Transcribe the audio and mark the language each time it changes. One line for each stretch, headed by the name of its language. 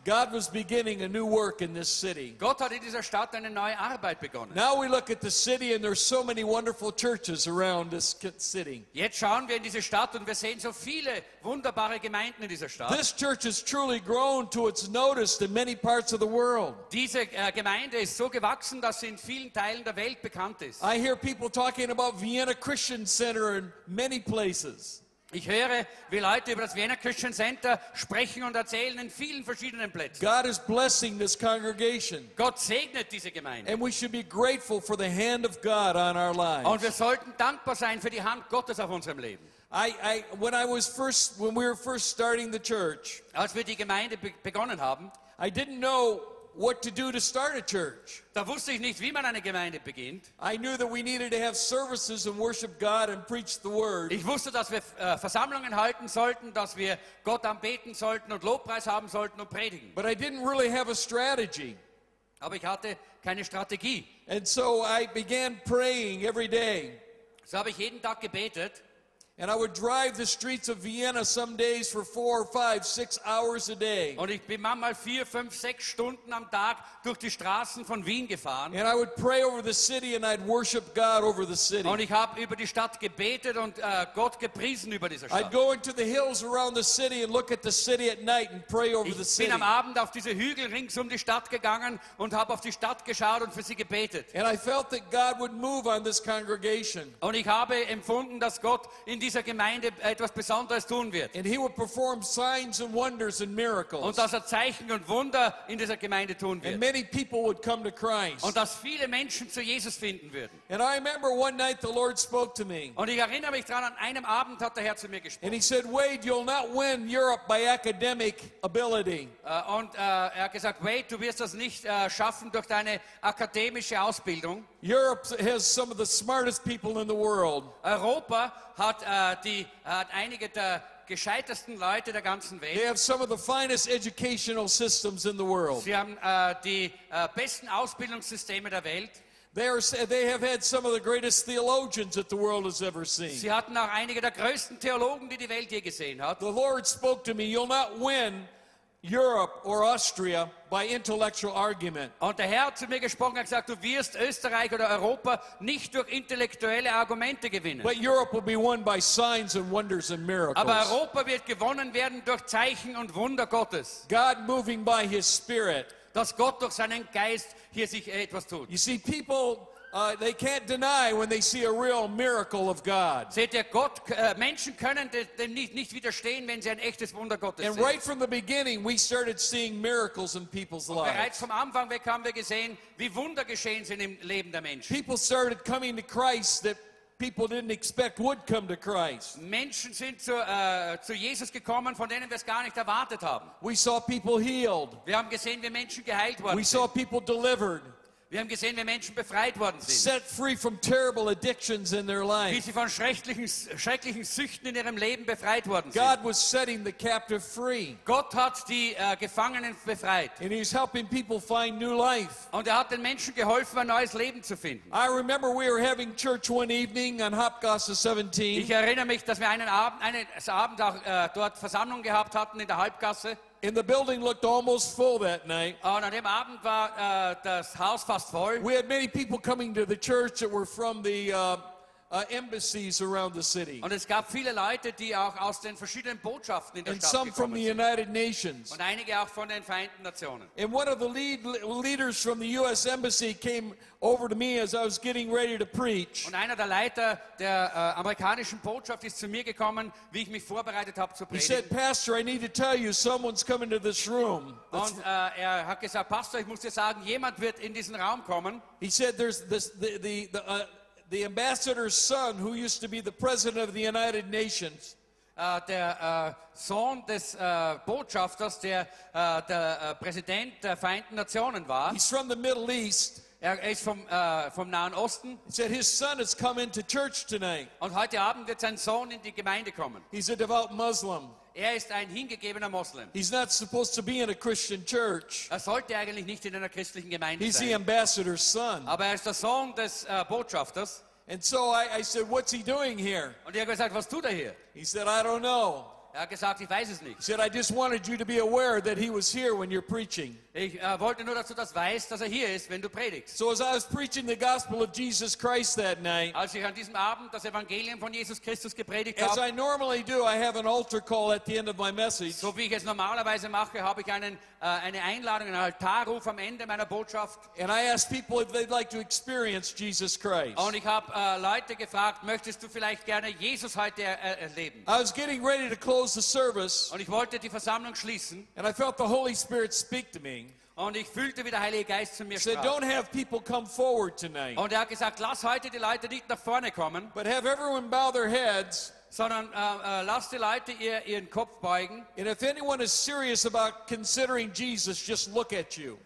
English: God was beginning a new work in this city.
German: Gott hat in dieser Stadt eine neue Arbeit begonnen.
English: Now we look at the city and there's so many wonderful churches around this city.
German: Jetzt schauen wir in diese Stadt und wir sehen so viele wunderbare Gemeinden in dieser Stadt.
English: This church has truly grown to its noticed in many parts of the world.
German: Diese Gemeinde ist so gewachsen, dass sie in vielen Teilen der Welt bekannt ist.
English: I hear people talking about Vienna Christian Center in many places.
German: Ich höre, wie Leute über das Vienna Christian Center sprechen und erzählen in vielen verschiedenen Plätzen.
English: God is blessing this congregation.
German: Gott segnet diese Gemeinde.
English: And we should be grateful for the hand of God on our lives.
German: Und wir sollten dankbar sein für die Hand Gottes auf unserem Leben.
English: When we were first starting the church,
German: als wir die Gemeinde begonnen haben,
English: I didn't know what to do to start a church.
German: Da wusste ich nicht, wie man eine Gemeinde beginnt.
English: I knew that we needed to have services and worship God and preach the word.
German: Ich wusste, dass wir Versammlungen halten sollten, dass wir Gott anbeten sollten und Lobpreis haben sollten und predigen.
English: But I didn't really have a strategy.
German: Aber ich hatte keine Strategie.
English: And so I began praying every day.
German: So habe ich jeden Tag gebetet.
English: And I would drive the streets of Vienna some days for 4, 5, 6 hours a day.
German: Und ich bin manchmal 4, 5, 6 Stunden am Tag durch die Straßen von Wien gefahren.
English: And I would pray over the city and I'd worship God over the city.
German: Und ich habe über die Stadt gebetet und Gott gepriesen über diese Stadt.
English: I'd go into the hills around the city and look at the city at night and pray over the city.
German: Ich bin am Abend auf diese Hügel rings um die Stadt gegangen und habe auf die Stadt geschaut und für sie gebetet.
English: And I felt that God would move on this congregation.
German: Und ich habe empfunden, dass Gott in dieser Gemeinde etwas Besonderes tun wird.
English: And he will perform signs and wonders and miracles.
German: Und dass er Zeichen und Wunder in dieser Gemeinde tun wird.
English: And many people would come to Christ.
German: Und dass viele Menschen zu Jesus finden würden.
English: And I remember one night the Lord spoke to me.
German: Und ich erinnere mich daran, an einem Abend hat der Herr zu mir gesprochen.
English: And he said, Wayde, you'll not win Europe by academic ability.
German: Er hat gesagt, Wayde, du wirst das nicht schaffen durch deine akademische Ausbildung.
English: Europe has some of the smartest people in the world.
German: Europa hat hat einige der gescheitesten Leute der ganzen Welt.
English: They have some of the finest educational systems in the world.
German: Sie haben die besten Ausbildungssysteme der Welt.
English: They have had some of the greatest theologians that the world has ever seen.
German: Sie hatten auch einige der größten Theologen, die die Welt je gesehen hat.
English: The Lord spoke to me, you'll not win Europe or Austria by intellectual argument.
German: Und der Herr hat zu mir gesprochen und gesagt, du wirst Österreich oder Europa nicht durch intellektuelle Argumente gewinnen.
English: But Europe will be won by signs and wonders and miracles.
German: Aber Europa wird gewonnen werden durch Zeichen und Wunder Gottes.
English: God moving by His Spirit.
German: Dass Gott durch seinen Geist hier sich etwas tut.
English: You see, people, they can't deny when they see a real miracle of God.
German: Seht ihr, Gott, Menschen können dem nicht widerstehen, wenn sie ein echtes Wunder Gottes sehen.
English: And right from the beginning, we started seeing miracles in people's lives.
German: Bereits vom Anfang weg haben wir gesehen, wie Wunder geschehen sind im Leben der Menschen.
English: People started coming to Christ that people didn't expect would come to Christ.
German: Menschen sind zu Jesus gekommen, von denen wir es gar nicht erwartet haben.
English: We saw people healed.
German: Wir haben gesehen, wie Menschen geheilt worden sind.
English: We saw people delivered.
German: Wir haben gesehen, wie Menschen befreit worden sind.
English: Set free from terrible addictions in their life.
German: Wie sie von schrecklichen Süchten in ihrem Leben befreit worden sind.
English: God was setting the captive free.
German: Gott hat die Gefangenen befreit.
English: And he's helping people find new life.
German: Und er hat den Menschen geholfen, ein neues Leben zu finden.
English: I remember we were having church one evening on Hauptgasse 17.
German: Ich erinnere mich, dass wir einen Abend auch dort Versammlung gehabt hatten in der Hauptgasse.
English: And the building looked almost full that night.
German: Und an dem Abend war das Haus fast voll.
English: We had many people coming to the church that were from the embassies around the city.
German: Und es gab viele Leute, die auch aus den verschiedenen Botschaften in der
English: and
German: Stadt
English: some from the United Nations.
German: Und einige auch von den Vereinten Nationen.
English: And one of the leaders from the U.S. Embassy came over to me as I was getting ready to preach.
German: Und einer der Leiter der amerikanischen Botschaft ist zu mir gekommen, wie ich mich vorbereitet habe zu predigen.
English: He said, Pastor, I need to tell you, someone's coming to this room.
German: Und er hat gesagt, Pastor, ich muss dir sagen, jemand wird in diesen Raum kommen.
English: He said, there's this, the ambassador's son, who used to be the president of the United Nations.
German: Der Sohn des Botschafters, der der Präsident der Vereinten Nationen war.
English: He's from the Middle East.
German: Er ist vom vom Nahen Osten.
English: He said his son has come into church tonight.
German: Und heute Abend wird sein Sohn in die Gemeinde kommen.
English: He's a devout Muslim.
German: Er ist ein hingegebener Muslim.
English: He's not supposed to be in a Christian church.
German: Er sollte eigentlich nicht in einer christlichen Gemeinde
English: He's
German: sein.
English: The ambassador's son.
German: Aber er ist der Sohn des Botschafters.
English: And so I said, what's he doing here?
German: Und er hat gesagt, was tut er hier?
English: He said, I don't know.
German: Er hat gesagt, ich weiß es nicht.
English: He said, I just wanted you to be aware that he was here when you're preaching.
German: Ich wollte nur, dass du das weißt, dass er hier ist, wenn du predigst.
English: So as I was preaching the gospel of Jesus Christ that night,
German: als ich an diesem Abend das Evangelium von Jesus Christus gepredigt habe,
English: as I normally do, I have an altar call at the end of my message.
German: So wie ich es normalerweise mache, habe ich eine Einladung, einen Altarruf am Ende meiner Botschaft.
English: And I asked people if they'd like to experience Jesus Christ.
German: Und ich habe Leute gefragt, möchtest du vielleicht gerne Jesus heute erleben?
English: I was getting ready to close the service.
German: Und ich wollte die Versammlung schließen.
English: And I felt the Holy Spirit speak to me.
German: Und ich fühlte, wie der Heilige Geist zu mir sprach.
English: He said, don't have people come forward tonight.
German: Und er hat gesagt, lass heute die Leute nicht nach vorne kommen.
English: But have everyone bow their heads.
German: Sondern lass die Leute ihren Kopf beugen.
English: And if anyone is serious about considering Jesus, just look at you.